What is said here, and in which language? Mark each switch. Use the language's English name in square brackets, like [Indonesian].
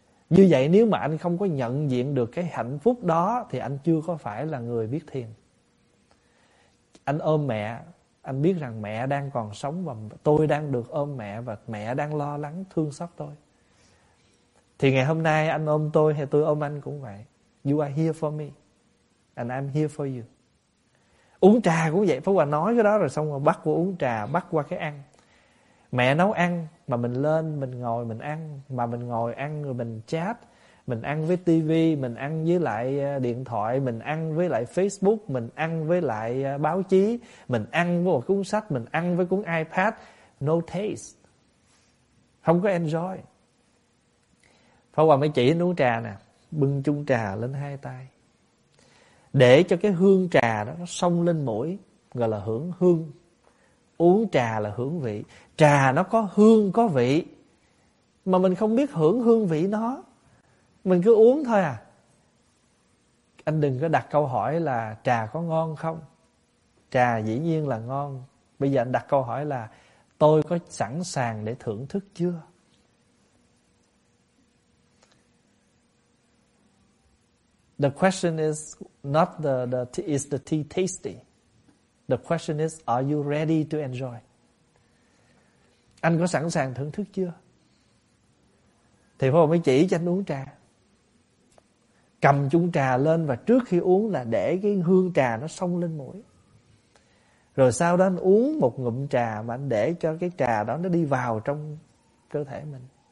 [Vietnamese] Như vậy nếu mà anh không có nhận diện được cái hạnh phúc đó thì anh chưa có phải là người biết thiền. Anh ôm mẹ, anh biết rằng mẹ đang còn sống và tôi đang được ôm mẹ và mẹ đang lo lắng, thương xót tôi. Thì ngày hôm nay anh ôm tôi hay tôi ôm anh cũng vậy. [English] You are here for me and I'm here for you. [Vietnamese] Uống trà cũng vậy. Phải qua nói cái đó rồi xong rồi bắt qua uống trà, bắt qua cái ăn. Mẹ nấu ăn mà mình lên, mình ngồi mình ăn, mà mình ngồi ăn rồi mình chat, mình ăn với TV, mình ăn với lại điện thoại, mình ăn với lại Facebook, mình ăn với lại báo chí, mình ăn với một cuốn sách, mình ăn với cuốn iPad. [English] No taste. [Vietnamese] Không có enjoy. Phải qua mấy chị uống trà nè, bưng chung trà lên hai tay để cho cái hương trà đó nó xông lên mũi, gọi là hưởng hương. Uống trà là hưởng vị. Trà nó có hương, có vị. Mà mình không biết hưởng hương vị nó. Mình cứ uống thôi à. Anh đừng có đặt câu hỏi là trà có ngon không. Trà dĩ nhiên là ngon. Bây giờ anh đặt câu hỏi là tôi có sẵn sàng để thưởng thức chưa? [English] The question is not is the tea tasty? The question is, are you ready to enjoy? [Vietnamese] Anh có sẵn sàng thưởng thức chưa? Thì Phật mới chỉ cho anh uống trà. Cầm chung trà lên và trước khi uống là để cái hương trà nó xông lên mũi. Rồi sau đó anh uống một ngụm trà mà anh để cho cái trà đó nó đi vào trong cơ thể mình.